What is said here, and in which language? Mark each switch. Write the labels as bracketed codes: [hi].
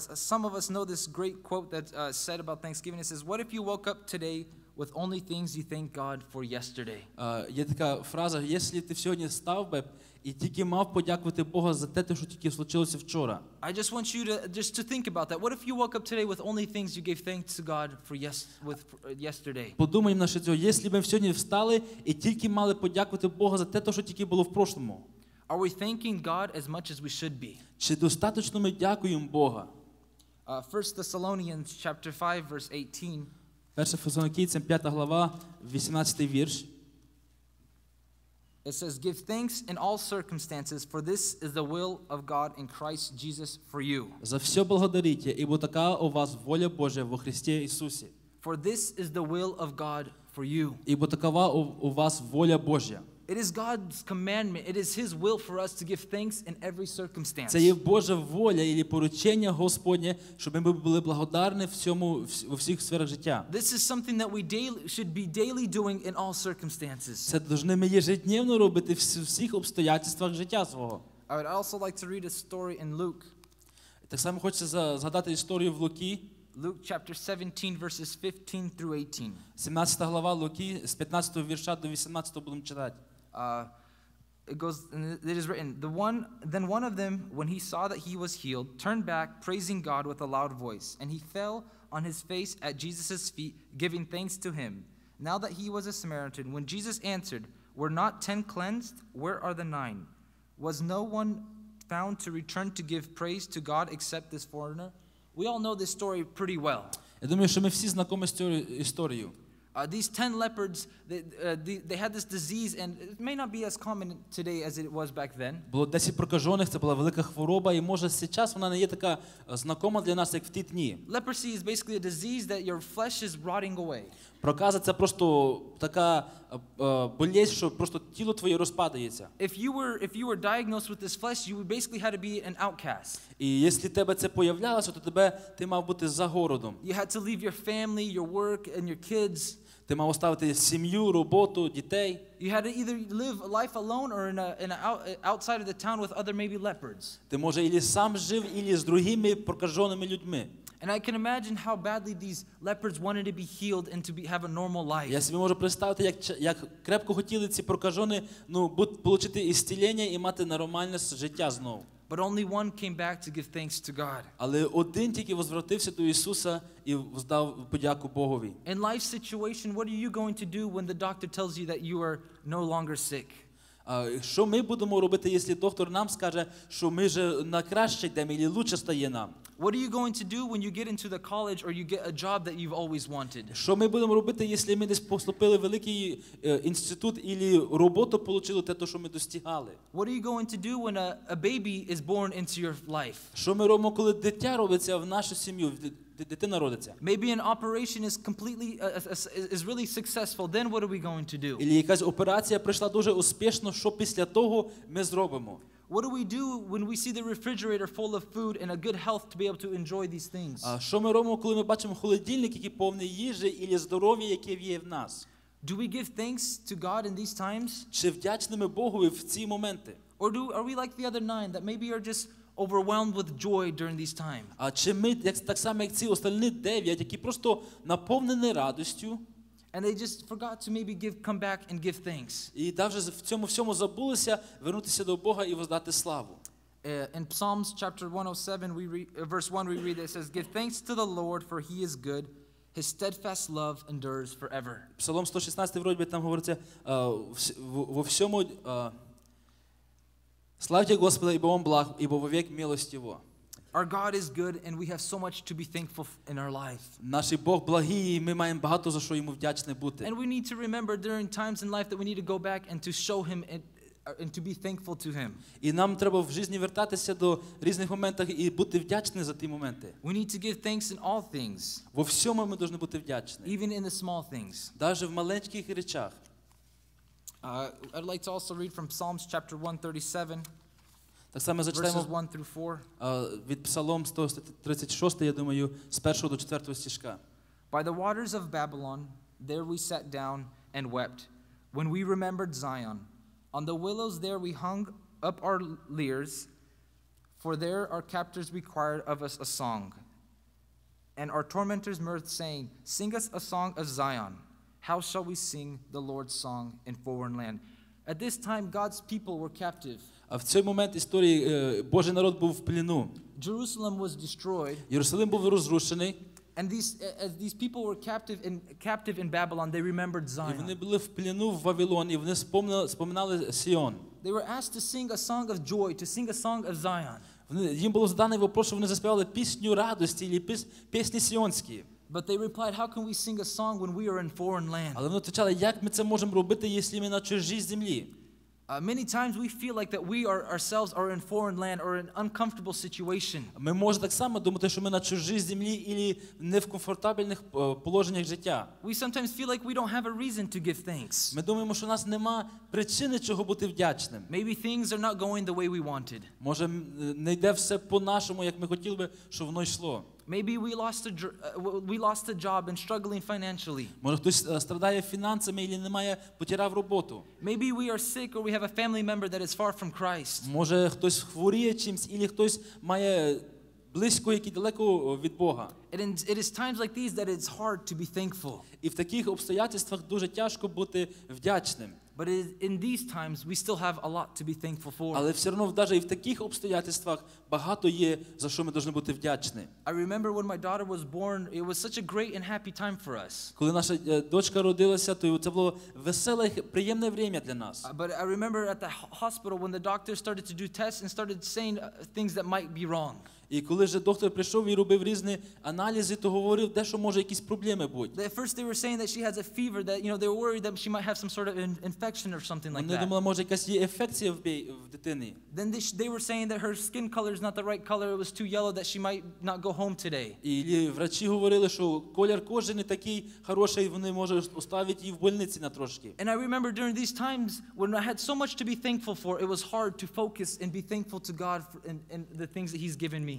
[en] Some of us know this great quote that said about Thanksgiving. It says, "What if you woke up today with only things you thank God for yesterday?" [uk] Є така фраза: "Якщо ти сьогодні став би і тільки мав подякувати Бога за те, що тільки случилося вчора." [en] I just want you to think about that. What if you woke up today with only things you gave thanks to God for yesterday? [uk] Подумаємо наше цього. Якщо б ми сьогодні встали і тільки мали подякувати Бога за те, що тільки було в прошлому. [en] Are we thanking God as much as we should be? [uk] Чи достатньо ми дякуємо Бога? [en] 1 Thessalonians chapter 5 verse 18. [uk] Перша Фесалонікійцям 5 глава, 18 вірш. [en] It says, give thanks in all circumstances, for this is the will of God in Christ Jesus for you. [uk] За все благодаріть, ібо така у вас воля Божа во Христі Ісусі. [en] For this is the will of God for you. [uk] Ібо такова у вас воля Божа. [en] It is God's commandment, it is His will for us to give thanks in every circumstance. [uk] Це є Божа воля і поручення Господнє, щоб ми були благодарні всьому, у всіх сферах життя. [en] This is something that we daily, should be daily doing in all circumstances. [uk] Це повинні ми ежедневно робити в всіх обстоятельствах життя свого. [en] I would also like to read a story in Luke. [uk] Так само хочеться згадати історію в Луки. [en] Luke chapter 17 verses 15 through 18. [uk] 17 глава Луки з 15 вірша до 18 будемо читати. [en] It is written, then one of them, when he saw that he was healed, turned back, praising God with a loud voice, and he fell on his face at Jesus' feet, giving thanks to him. Now that he was a Samaritan, when Jesus answered, were not 10 cleansed? Where are the 9? Was no one found to return to give praise to God except this foreigner? We all know this story pretty well. [uk] Я думаю, що ми всі знакомі з цією історією. [en] These 10 lepers, they had this disease, and it may not be as common today as it was back then. [uk] Було 10 прокажених, це була велика хвороба, і може зараз вона не є така знакома для нас, як в ті дні. [en] Leprosy is basically a disease that your flesh is rotting away. [uk] Проказа – це просто така болезнь, що просто тіло твоє розпадається. [en] If you were diagnosed with this flesh, you would basically have to be an outcast. [uk] І якщо тебе це появлялося, то тебе ти мав бути за городом. [en] You had to leave your family, your work, and your kids. [uk] Ти мав оставити сім'ю, роботу, дітей. [en] You had to either live a life alone or outside of the town with other maybe leopards. [uk] Ти може або сам жив, або з другими прокаженими людьми. [en] And I can imagine how badly these lepers wanted to be healed and to have a normal life. [uk] Я собі можу представити, як крепко хотіли ці прокажені, отримати ізцілення і мати нормальне життя знову. [en] But only one came back to give thanks to God. [uk] Але один тільки возвратився до Ісуса і здав подяку Богові. [en] In life situation, what are you going to do when the doctor tells you that you are no longer sick? [uk] Що ми будемо робити, якщо доктор нам скаже, що ми вже на краще йдемо, і лучше стає нам? [en] What are you going to do when you get into the college or you get a job that you've always wanted? [uk] Що ми будемо робити, якщо ми десь поступили в великий інститут або роботу отримали, те, що ми достигали? [en] What are you going to do when a baby is born into your life? [uk] Що ми робимо, коли дитя робиться в нашу сім'ю, дитина родиться? [en] Maybe an operation is completely is really successful, then what are we going to do? [uk] Або якась операція пройшла дуже успішно, що після того ми зробимо? [en] What do we do when we see the refrigerator full of food and a good health to be able to enjoy these things? [uk] Що ми робимо, коли ми бачимо холодильник, який повний їжі і здоров'я, яке є в нас? [en] Do we give thanks to God in these times? [uk] Чи вдячними Богові в ці моменти? [en] Or are we like the other 9 that maybe are just overwhelmed with joy during these times? [uk] А чи ми так само, як ці остальні 9, які просто наповнені радістю? [en] And they just forgot to maybe come back and give thanks. [uk] І навже в цьому всьому забулися вернутися до Бога і воздати славу. [en] In Psalms chapter 107, verse 1, we read that it says, give thanks to the Lord, for he is good. His steadfast love endures forever. [uk] Псалом 116, вроді би, там говориться, во всьому, славте Господа, ібо Он благ, ібо вовек милость Його. [en] Our God is good and we have so much to be thankful in our life. [uk] Наш Бог благий, ми маємо багато за що йому вдячні бути. [en] And we need to remember during times in life that we need to go back and to show him and to be thankful to him. [uk] І нам треба в житті вертатися до різних моментів і бути вдячними за ті моменти. [en] We need to give thanks in all things. [uk] Во всьому ми повинні бути вдячні. [en] Even in the small things. [uk] Даже в маленьких речах. [en] I'd like to also read from Psalms chapter 137. [uk] Так само зачитаємо від Псалом 136, я думаю, з 1 до 4 стишка. [en] By the waters of Babylon, there we sat down and wept, when we remembered Zion. On the willows there we hung up our lyres, for there our captors required of us a song. And our tormentors mirth saying, sing us a song of Zion. How shall we sing the Lord's song in foreign land? At this time, God's people were captive. [uk] А в цей момент історії Божий народ був в плену. [en] Jerusalem was destroyed. [uk] Єрусалим був розрушений. [en] And these people were captive in Babylon, they remembered Zion. [uk] І вони були в плену в Вавилоні, вони спомнили Сіон. [en] They were asked to sing a song of joy, to sing a song of Zion. [uk] Їм було задано вопрос, щоб вони заспівали пісню радості чи пісні сіонські. [en] But they replied, "How can we sing a song when we are in foreign land?" [uk] Але вони отвечали, як ми це можемо робити, якщо ми на чужій землі? [en] Many times we feel like that we are ourselves are in foreign land or in an uncomfortable situation. [uk] Ми можемо так само думати, що ми на чужій землі або не в комфортабельних положеннях життя. [en] We sometimes feel like we don't have a reason to give thanks. [uk] Ми думаємо, що у нас нема причини чого бути вдячним. [en] Maybe things are not going the way we wanted. [uk] Може, не йде все по-нашому, як ми хотіли би, щоб воно йшло. [en] Maybe we lost a job and struggling financially. [uk] Може, хтось страждає фінансами або немає, потеряв роботу. [en] Maybe we are sick or we have a family member that is far from Christ. [uk] Може, хтось хворіє чимсь або хтось має близько, який далеко від Бога. [en] It is times like these that it's hard to be thankful. [uk] І в таких обстоятельствах дуже тяжко бути вдячним. [en] But in these times we still have a lot to be thankful for. [uk] Але все одно навіть і в таких обстоятельствах багато є, за що ми повинні бути вдячні. [en] I remember when my daughter was born, it was such a great and happy time for us. [uk] Коли наша дочка родилася, то це було веселе, приємне время для нас. [en] But I remember at the hospital when the doctor started to do tests and started saying things that might be wrong. [uk] І коли ж доктор прийшов і робив різні аналізи, то говорив, де що може якісь проблеми бути. [en] First they were saying that she has a fever, that, you know, they were worried that she might have some sort of infection or something like that. [uk] Вони думали, може якась є інфекція в дитині. [en] Then they were saying that her skin color is not the right color, it was too yellow, that she might not go home today. [uk] І врачі говорили, що колір кожи не такий хороший, вони може оставити її в больниці на трошки. [en] And I remember during these times when I had so much to be thankful for, it was hard to focus and be thankful to God for and the things that he's given me.